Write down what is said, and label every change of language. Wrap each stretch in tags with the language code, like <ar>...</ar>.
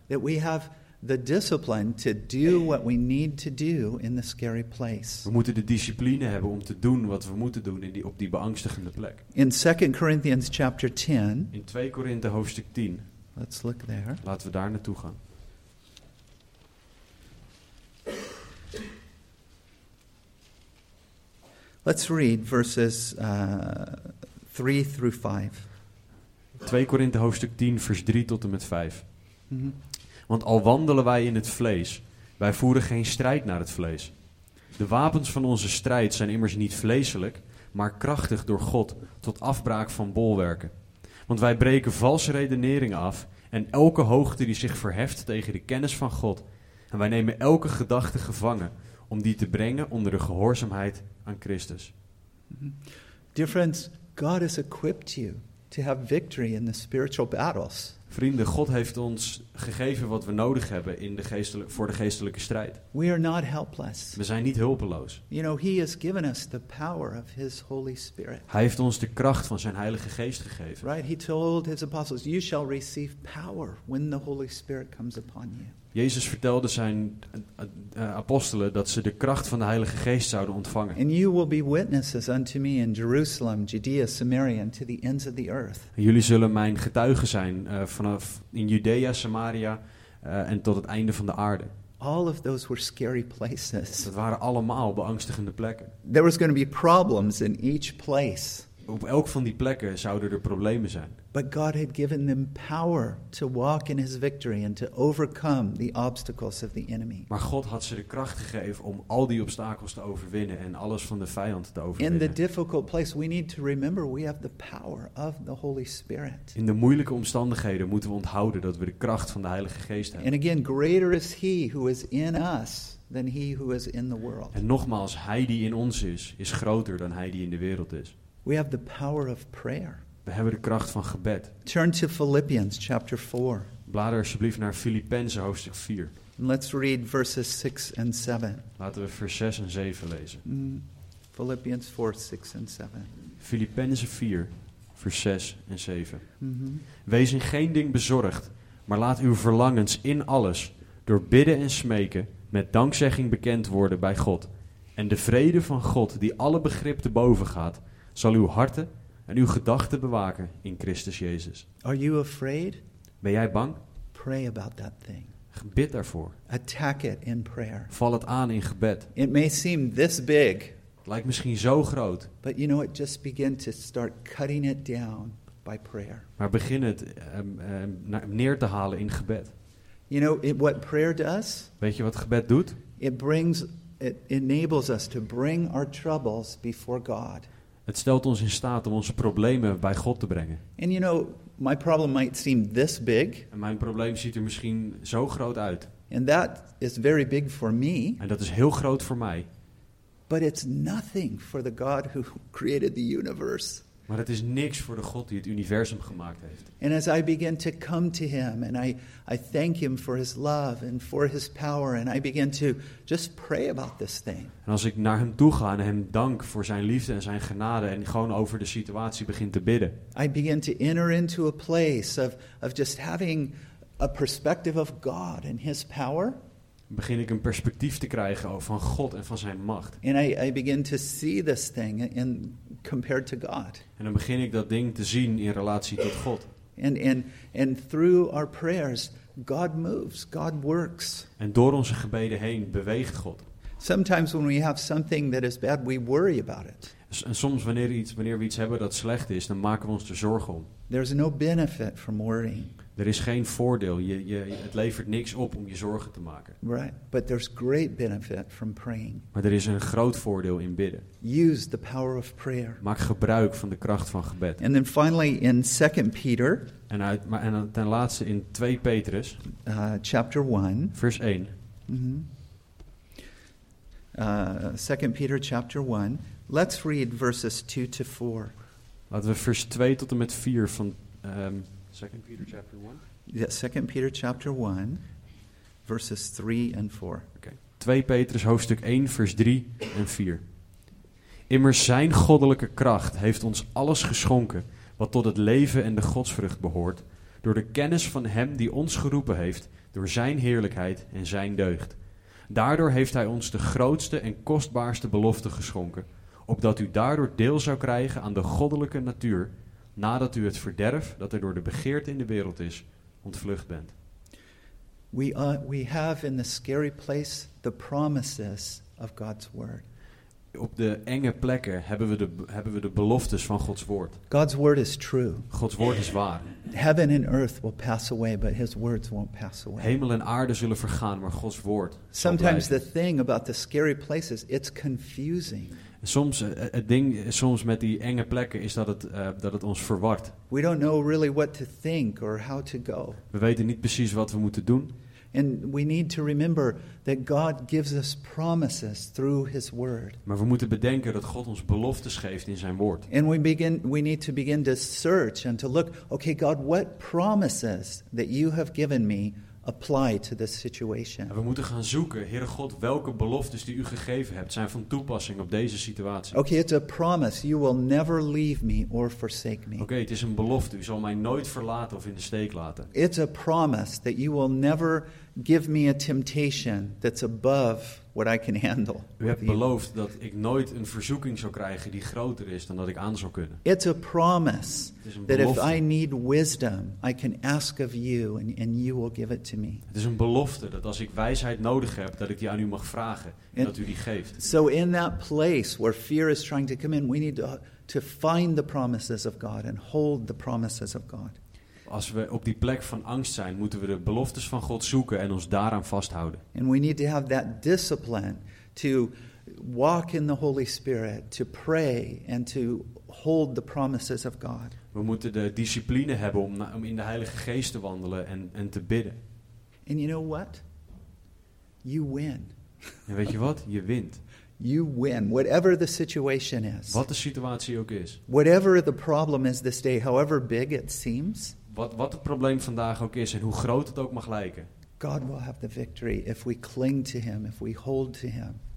<en>That we have the discipline to do what we need to do in the scary place.</en> <nl>We moeten de discipline hebben om te doen wat we moeten doen op die beangstigende plek.</nl> <en>In 2 Corinthians chapter 10.</en> <nl>In 2 Korinthe hoofdstuk 10.</nl> <en>Let's look there.</en> <nl>Laten we daar naartoe gaan.</nl> <en>Let's read verses 3 through 5.</en> <nl>2 Korinthe hoofdstuk 10 vers 3 tot en met 5. Want al wandelen wij in het vlees, wij voeren geen strijd naar het vlees. De wapens van onze strijd zijn immers niet vleeselijk, maar krachtig door God tot afbraak van bolwerken. Want wij breken valse redeneringen af en elke hoogte die zich verheft tegen de kennis van God. En wij nemen elke gedachte gevangen om die te brengen onder de gehoorzaamheid aan Christus.</nl> <en>Dear friends, God has equipped you to have victory in the spiritual battles.</en> <nl>Vrienden, God heeft ons gegeven wat we nodig hebben in de voor de geestelijke strijd.</nl> <en>We are not helpless.</en> <nl>We zijn niet hulpeloos.</nl> <en>You know, he has given us the power of his Holy Spirit.</en> <nl>Hij heeft ons de kracht van zijn Heilige Geest gegeven.</nl> <en>Right? He told his apostles, "You shall receive power when the Holy Spirit comes upon you."</en> <nl>Jezus vertelde zijn apostelen dat ze de kracht van de Heilige Geest zouden ontvangen.</nl> <en>And you will be witnesses unto me in Jerusalem, Judea, Samaria, and to the ends of the earth.</en> <nl>Jullie zullen mijn getuigen zijn vanaf in Judea, Samaria en tot het einde van de aarde.</nl> <en>All of those were scary places.</en> <nl>Dat waren allemaal beangstigende plekken.</nl> <en>There was going to be problems in each place.</en> <nl>Op elk van die plekken zouden er problemen zijn.</nl> <en>But God had given them power to walk in his victory and to overcome the obstacles of the enemy.</en> <nl>Maar God had ze de kracht gegeven om al die obstakels te overwinnen en alles van de vijand te overwinnen.</nl> <en>In the difficult place we need to remember we have the power of the Holy Spirit.</en> <nl>In de moeilijke omstandigheden moeten we onthouden dat we de kracht van de Heilige Geest hebben.</nl> <en>And again, greater is he who is in us than he who is in the world.</en> <nl>En nogmaals, hij die in ons is groter dan hij die in de wereld is.</nl> <en>We have the power of prayer.</en> <nl>We hebben de kracht van gebed.</nl> <en>Turn to Philippians chapter 4.</en> <nl>Blader alsjeblieft naar Filippenzen hoofdstuk 4.</nl> <en>And let's read verses 6 and 7.</en> <nl>Laten we vers 6 en 7 lezen.</nl> <en>Philippians 4, 6 and 7.</en> <nl>Filippenzen 4, vers 6 en 7. Wees in geen ding bezorgd, maar laat uw verlangens in alles, door bidden en smeken, met dankzegging bekend worden bij God. En de vrede van God, die alle begrip te boven gaat, zal uw harten en uw gedachten bewaken in Christus Jezus.</nl> <en>Are you afraid?</en> <nl>Ben jij bang?</nl> <en>Pray about that thing.</en> <nl>Gebid daarvoor.</nl> <en>Attack it in prayer.</en> <nl>Val het aan in gebed.</nl> <en>It may seem this big.</en> <nl>Lijkt misschien zo groot.</nl> <en>But you know what? Just begin to start cutting it down by prayer.</en> <nl>Maar begin het neer te halen in gebed.</nl> <en>You know what prayer does?</en> <nl>Weet je wat gebed doet?</nl> <en>It enables us to bring our troubles before God.</en> <nl>Het stelt ons in staat om onze problemen bij God te brengen.</nl> <en>And you know, my problem might seem this big.</en> <nl>En mijn probleem ziet er misschien zo groot uit.</nl> <en>And that is very big for me.</en> <nl>En dat is heel groot voor mij.</nl> <en>But it's nothing for the God who created the universe.</en> <nl>Maar het is niks voor de God die het universum gemaakt heeft.</nl> <en>And as I begin to come to him and I thank him for his love and for his power and I begin to just pray about this thing.</en> <nl>En als ik naar hem toe ga en hem dank voor zijn liefde en zijn genade en gewoon over de situatie begin te bidden.</nl> <en>I begin to enter into a place of just having a perspective of God and his power.</en> <nl>Begin ik een perspectief te krijgen van God en van zijn macht.</nl> <en>And I begin to see this thing in compared to God.</en> <nl>En dan begin ik dat ding te zien in relatie tot God.</nl> <en>And through our prayers, God moves, God works.</en> <nl>En door onze gebeden heen beweegt God.</nl> <en>Sometimes when we have something that is bad, we worry about it.</en> <nl>En soms wanneer we iets hebben dat slecht is, dan maken we ons er zorgen om.</nl> <en>There's no benefit from worrying.</en> <nl>Er is geen voordeel. Het levert niks op om je zorgen te maken.</nl> <en>Right. But there's great benefit from praying.</en> <nl>Maar er is een groot voordeel in bidden.</nl> <en>Use the power of prayer.</en> <nl>Maak gebruik van de kracht van gebed.</nl> <en>And then finally in 2 Peter.</en> <nl>En ten laatste in 2 Petrus.</nl> <en>Chapter 1.</en> <nl>Vers 1.</nl> <en>2 Peter chapter 1. Let's read verses 2 to 4.</en> <nl>Laten we vers 2 tot en met 4 van</nl> <en>2 Peter chapter 1. Yeah, 2 Peter chapter 1, verses 3 and 4. Okay.</en> <nl>2 Petrus hoofdstuk 1, vers 3 en 4. Immers zijn goddelijke kracht heeft ons alles geschonken wat tot het leven en de godsvrucht behoort, door de kennis van hem die ons geroepen heeft, door zijn heerlijkheid en zijn deugd. Daardoor heeft hij ons de grootste en kostbaarste belofte geschonken, opdat u daardoor deel zou krijgen aan de goddelijke natuur, nadat u het verderf dat er door de begeerte in de wereld is, ontvlucht bent.</nl> <en>We have in the scary place the promises of God's word.</en> <nl>op de enge plekken hebben we de beloftes van Gods woord.</nl> <en>God's word is true.</en> <nl>Gods woord is waar.</nl> <en>Heaven and earth will pass away, but his words won't pass away.</en> <nl>Hemel en aarde zullen vergaan, maar Gods woord zal blijven.</nl> <en>Sometimes the thing about the scary places, it's confusing.</en> <nl>Soms het ding soms met die enge plekken is dat het ons verwart.</nl> <en>We don't know really what to think or how to go.</en> <nl>We weten niet precies wat we moeten doen.</nl> <en>And we need to remember that God gives us promises through his word.</en> <nl>Maar we moeten bedenken dat God ons beloftes geeft in zijn woord.</nl> <en>And we need to begin to search and to look, okay God, what promises that you have given me apply to this situation.</en> <nl>We moeten gaan zoeken, Heere God, welke beloftes die u gegeven hebt zijn van toepassing op deze situatie.</nl> <en>Okay, it's a promise. You will never leave me or forsake me.</en> <nl>Okay, het is een belofte. U zal mij nooit verlaten of in de steek laten.</nl> <en>It's a promise that you will never give me a temptation that's above what I can handle.</en> <nl>U hebt beloofd dat ik nooit een verzoeking zou krijgen die groter is dan dat ik aan zou kunnen.</nl> <en>It's a promise that if I need wisdom, I can ask of you and you will give it to me.</en> <nl>Het is een belofte dat als ik wijsheid nodig heb, dat ik die aan u mag vragen en dat u die geeft.</nl> <en>So in that place where fear is trying to come in, we need to find the promises of God and hold the promises of God.</en> <nl>Als we op die plek van angst zijn, moeten we de beloftes van God zoeken en ons daaraan vasthouden.</nl> <en>And we need to have that discipline to walk in the Holy Spirit, to pray and to hold the promises of God.</en> <nl>We moeten de discipline hebben om in de Heilige Geest te wandelen en te bidden.</nl> <en>And you know what? You win.</en> <nl>En weet je wat? Je wint.</nl> <en>You win, whatever the situation is.</en> <nl>Wat de situatie ook is.</nl> <en>Whatever the problem is this day, however big it seems.</en> <nl>Wat het probleem vandaag ook is en hoe groot het ook mag lijken.</nl> <en>God will have the victory if we cling to him, if we hold to him.</en>